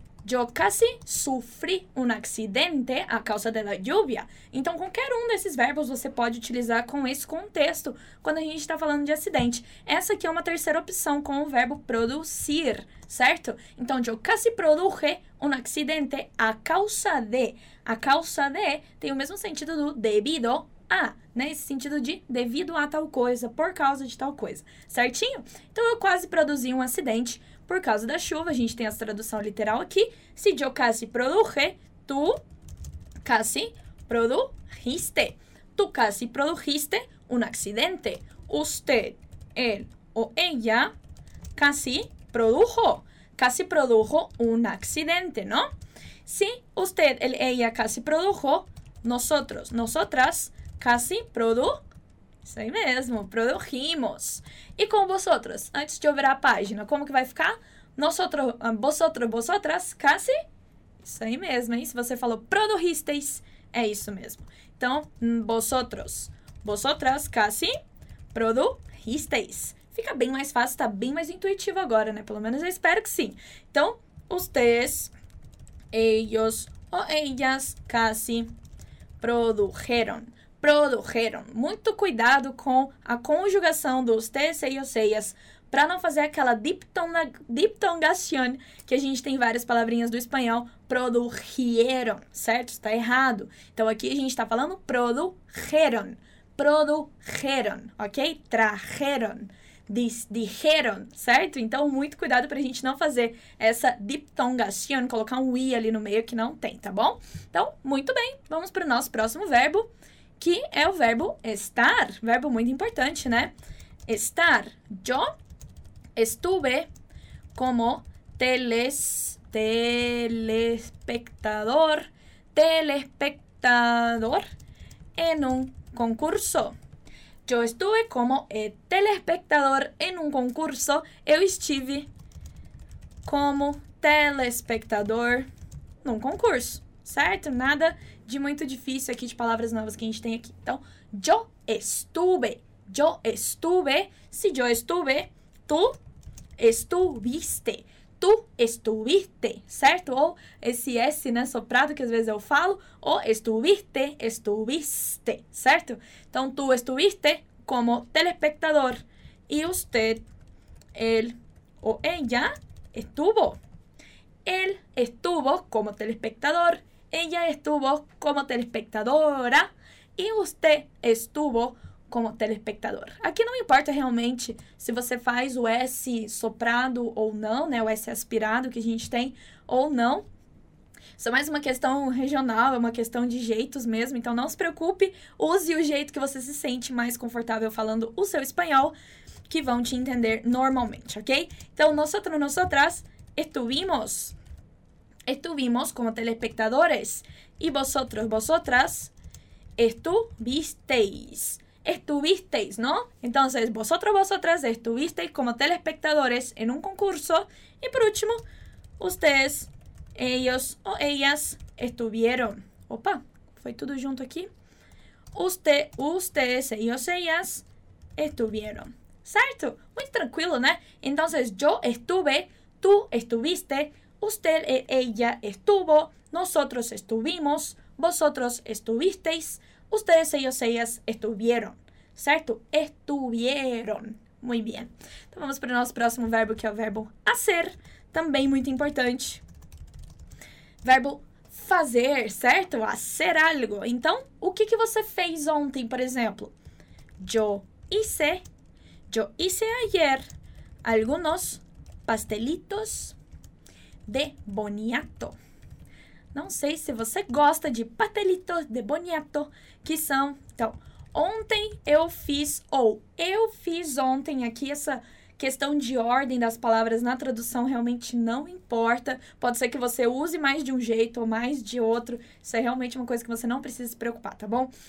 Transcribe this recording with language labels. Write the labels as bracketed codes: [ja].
[es] Yo casi sufrí un accidente a causa de la lluvia. [pt] Então, qualquer um desses verbos você pode utilizar com esse contexto quando a gente está falando de acidente. Essa aqui é uma terceira opção com o verbo produzir, certo? [es] Então, yo casi produje un accidente a causa de. A causa de [pt] tem o mesmo sentido do [es] debido a, [pt] né? Esse sentido de devido a tal coisa, por causa de tal coisa, certinho? Então, eu quase produzi um acidente por causa da chuva. A gente tem essa tradução literal aqui. [es] Si yo casi produje, tú casi produjiste. Tú casi produjiste un accidente. Usted, él o ella casi produjo un accidente, ¿no? Si usted, él, ella casi produjo, nosotras casi produjimos. [pt] Isso aí mesmo, produjimos. E com vosotros? Antes de eu virar a página, como que vai ficar? [es] Vosotras, casi? [pt] Isso aí mesmo, hein? Se você falou produjisteis, é isso mesmo. [es] Então, vosotras, casi, produjisteis. [pt] Fica bem mais fácil, tá bem mais intuitivo agora, né? Pelo menos eu espero que sim. [es] Então, ustedes, ellos o ellas casi produjeron. Produjeron. [pt] Muito cuidado com a conjugação dos tes, eios, eias, para não fazer aquela diptongación que a gente tem em várias palavrinhas do espanhol, produjeron, certo? Está errado. Então, aqui a gente está falando produjeron. [es] produjeron, ok? Trajeron, dijeron, certo? [pt] Então, muito cuidado para a gente não fazer essa diptongação, colocar um i ali no meio que não tem, tá bom? Então, muito bem, vamos para o nosso próximo verbo, que é o verbo estar. Verbo muito importante, né? Estar. [es] Yo estuve como telespectador en un concurso. Yo estuve como telespectador en un concurso. [pt] Eu estive como telespectador num concurso, certo? Nada de muito difícil aqui de palavras novas que a gente tem aqui. [es] Então, yo estuve. Yo estuve. Si yo estuve, tú estuviste. Tu estuviste, certo? [pt] Ou esse S, né, soprado, que às vezes eu falo. [es] Ou estuviste, estuviste, certo? Então, tu estuviste como telespectador. E usted, él o ella, estuvo. Él estuvo como telespectador. Ella estuvo como telespectadora. E usted estuvo como telespectador. [pt] Aqui não importa realmente se você faz o S soprado ou não, né? O S aspirado que a gente tem ou não. Isso é mais uma questão regional, é uma questão de jeitos mesmo. Então, não se preocupe. Use o jeito que você se sente mais confortável falando o seu espanhol, que vão te entender normalmente, ok? [es] Então, nosotras, estuvimos. Estuvimos como telespectadores. E vosotras, estuvisteis. Estuvisteis, ¿no? Entonces, vosotras estuvisteis como telespectadores en un concurso. Y por último, ustedes, ellos o ellas estuvieron. Opa, fue todo junto aquí. Ustedes, ellos, ellas estuvieron. ¿Cierto? Muy tranquilo, ¿no? Entonces, yo estuve, tú estuviste, usted, ella estuvo, nosotros estuvimos, vosotros estuvisteis. Ustedes, ellos, ellas estuvieron, certo? Estuvieron. [pt] Muito bem. Então, vamos para o nosso próximo verbo, que é o verbo hacer. Também muito importante. Verbo fazer, certo? Hacer algo. Então, o que você fez ontem, por exemplo? [es] Yo hice ayer algunos pastelitos de boniato. [pt] Não sei se você gosta de pastelitos de boniato, que são... Então, ontem eu fiz, ou eu fiz ontem, aqui essa questão de ordem das palavras na tradução realmente não importa. Pode ser que você use mais de um jeito ou mais de outro. Isso é realmente uma coisa que você não precisa se preocupar, tá bom?